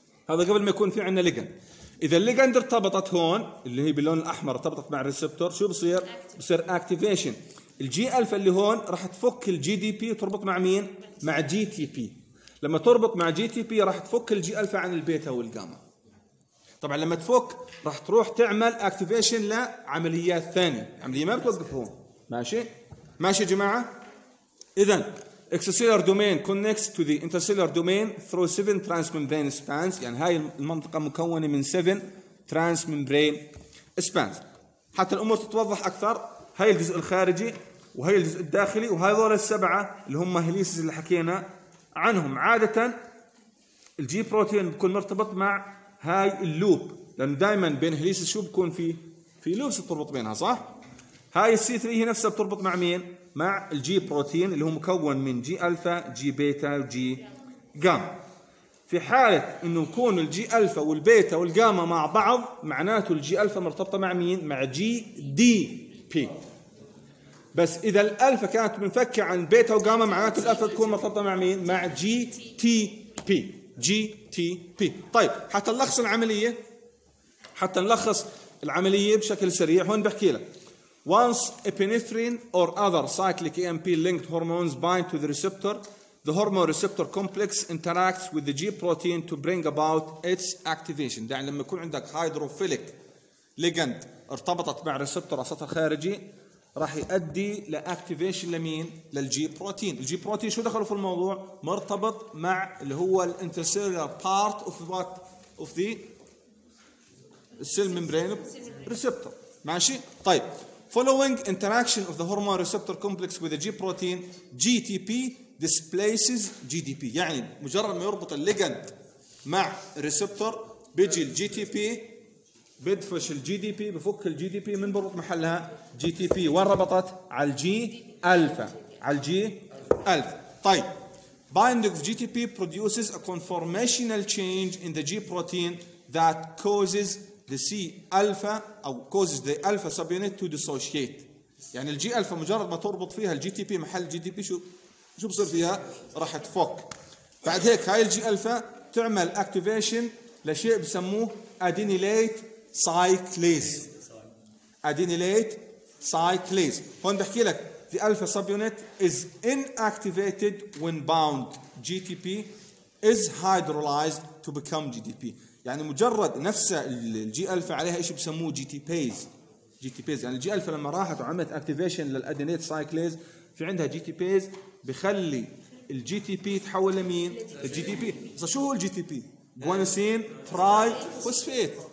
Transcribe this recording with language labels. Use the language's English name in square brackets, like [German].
[Arabic] هذا قبل ما يكون في عنا ليجند. إذا الليجند ارتبطت هون اللي هي باللون الأحمر ارتبطت مع الريسبتور، شو بصير؟ بصير اكتيفيشن. الجي ألفا اللي هون راح تفك الجي دي بي وتربط مع مين؟ مع جي تي بي. لما تربط مع جي تي بي راح تفك الجي ألفا عن البيتا والجاما. طبعا لما تفك راح تروح تعمل اكتيفيشن لعمليات ثانية، عملية ما بتوقف هون. ماشي يا جماعة؟ إذا [English] extracellular domain connects to the intercellular domain through 7 transmembrane spans، [Arabic] يعني هاي المنطقة مكونة من [English] 7 transmembrane spans. [Arabic] حتى الأمور تتوضح أكثر. هاي الجزء الخارجي وهي الجزء الداخلي وهذول السبعة اللي هم هليسز اللي حكينا عنهم. عادة الجي بروتين بيكون مرتبط مع هاي اللوب، لأن دائما بين هليسز شو بيكون في لوبس تربط بينها صح. هاي السي 3 هي نفسها بتربط مع مين؟ مع الجي بروتين اللي هو مكون من جي ألفا جي بيتا وجي جاما. في حالة إنه يكون الجي ألفا والبيتا والجاما مع بعض، معناته الجي ألفا مرتبطة مع مين؟ مع جي دي بي. بس إذا الألفا كانت منفكة عن بيتا وجاما، معناته الألفا تكون مرتبطة مع مين؟ مع جي تي بي. جي تي بي. طيب حتى نلخص العملية، حتى نلخص العملية بشكل سريع، هون بحكي لك [English] once epinephrine or other cyclic AMP linked hormones bind to the receptor, the hormone receptor complex interacts with the G protein to bring about its activation. [Arabic] يعني لما يكون عندك hydrophilic ligand ارتبطت مع receptor على سطح خارجي، راح يؤدي لactivation لمين؟ للG protein. الG protein شو دخله في الموضوع؟ مرتبط مع اللي هو [English] the intercellular part of what of the cell membrane receptor. [Arabic] ماشي؟ طيب. [English] Following interaction of the hormone receptor complex with the G protein, GTP displaces GDP. [Arabic] يعني مجرد ما يربط الليجند مع الريسبتور بيجي الجي تي بي، بيدفش الجي دي بي، بفك الجي دي بي، من بربط محلها جي تي بي. وين ربطت؟ على الجي الفا، على الجي الفا. [English] طيب binding of GTP produces a conformational change in the G protein that causes the C alpha أو causes the alpha subunit to dissociate. [Arabic] يعني الجي ألفا مجرد ما تربط فيها الجي تي بي محل الجي تي بي، شو بصير فيها؟ راح تفك. بعد هيك هاي الجي ألفا تعمل activation لشيء بسموه adenylate cyclase. [English] Adenylate cyclase. [Arabic] هون بحكي لك [English] the alpha subunit is inactivated when bound. GTP is hydrolyzed to become GDP. [Arabic] يعني مجرد نفس الجي ألفا عليها إيش بسموه جي تي بيز. جي تي بيز يعني الجي ألفا لما راحت وعملت اكتيفيشن للأدينيت سايكليز، في عندها جي تي بيز، بخلي الجي تي بي تحول لمين؟ الجي تي بي. شو هو الجي تي بي؟ جوانوسين تراي فوسفيت.